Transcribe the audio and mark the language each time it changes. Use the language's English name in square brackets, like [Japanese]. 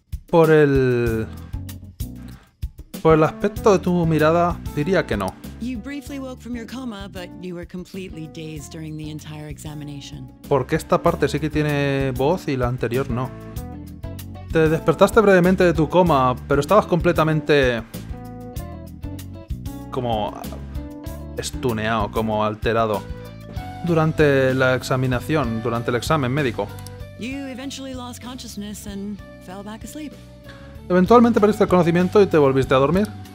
[Spanish] Por el aspecto de tu mirada, diría que no. [English] You briefly woke from your coma, but you were completely dazed during the entire examination. [Spanish] ¿Por qué esta parte sí que tiene voz y la anterior no? Te despertaste brevemente de tu coma, pero estabas completamente... como... estuneado, como alterado. Durante la examinación, durante el examen médico. [English] You eventually lost consciousness and fell back asleep. [Spanish] Eventualmente perdiste el conocimiento y te volviste a dormir.